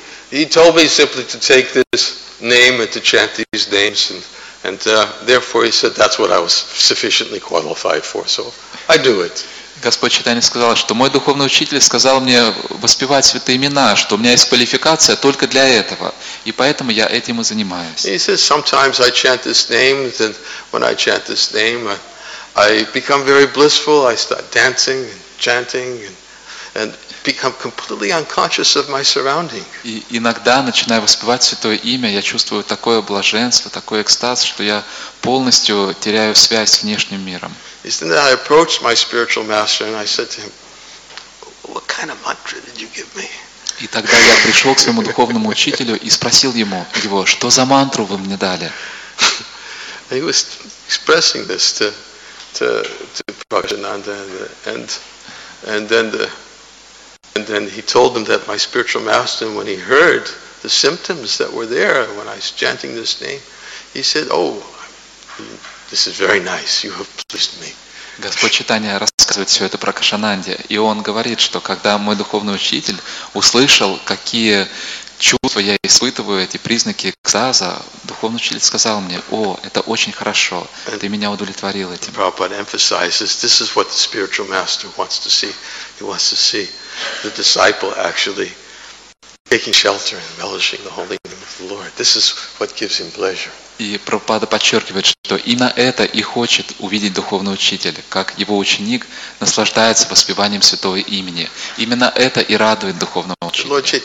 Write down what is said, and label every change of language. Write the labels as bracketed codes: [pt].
[en] He told me simply to take this name and to chant these names and therefore he said that's what I was sufficiently qualified for, so I do it. [ru] Господь Чайтанья сказал, что мой духовный учитель сказал мне воспевать святые имена, что у меня есть квалификация только для этого, и поэтому я этим и занимаюсь. [en] He says, sometimes I chant this name, and when I chant this name, I become very blissful, I start dancing and chanting, and become completely unconscious of my surroundings. [ru] И иногда, начиная воспевать Святое Имя, я чувствую такое блаженство, такой экстаз, что я полностью теряю связь с внешним миром. [en] Instead, I approached my spiritual master and I said to him, "What kind of mantra did you give me?" [ru] И тогда я пришел к своему духовному учителю и спросил ему, его, что за мантру вы мне дали? [en] He was expressing this to Prajnananda, and then he told him that my spiritual master, when he heard the symptoms that were there when I was chanting this name, he said, "Oh, this is very nice. You have pleased me." [ru] Господь Чайтанья рассказывает все это про Кашананде, и он говорит, что когда мой духовный учитель услышал, какие чувства я испытываю, эти признаки экстаза, духовный учитель сказал мне, о, это очень хорошо, ты меня удовлетворил этим. [en] Prabhupada emphasizes, this is what the spiritual master wants to see. He wants to see the disciple actually taking shelter and relishing the holy name of the Lord. This is what gives him pleasure. [ru] И Прабхупада подчеркивает, что именно это и хочет увидеть духовный учитель, как его ученик наслаждается воспеванием Святого Имени. Именно это и радует духовного учителя.